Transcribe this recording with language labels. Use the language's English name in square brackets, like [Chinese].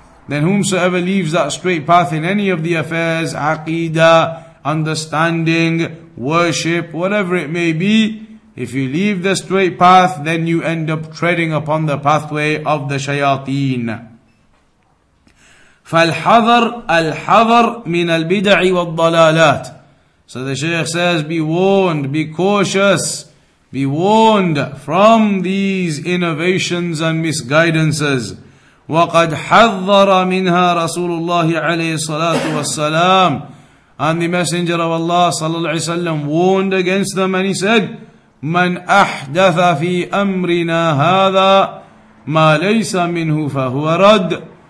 [English] Then whomsoever leaves that straight path in any of the affairs, عقيدة, understanding, worship, whatever it may be, if you leave the straight path, then you end up treading upon the pathway of the شياطين. [Arabic] فالحذر الحذر من البدع والضلالات. [English] So the Shaykh says, be warned, be cautious, be warned from these innovations and misguidances. [Arabic] وَقَدْ حَذَّرَ مِنْهَا رَسُولُ اللَّهِ عَلَيْهِ الصَّلَاةُ وَالسَّلَامُ. [English] And the Messenger of Allah sallallahu alayhi wa sallam warned against them and he said, [Arabic] مَنْ أَحْدَثَ فِي أَمْرِنَا هَذَا مَا لَيْسَ مِنْهُ فَهُوَ رَدْ.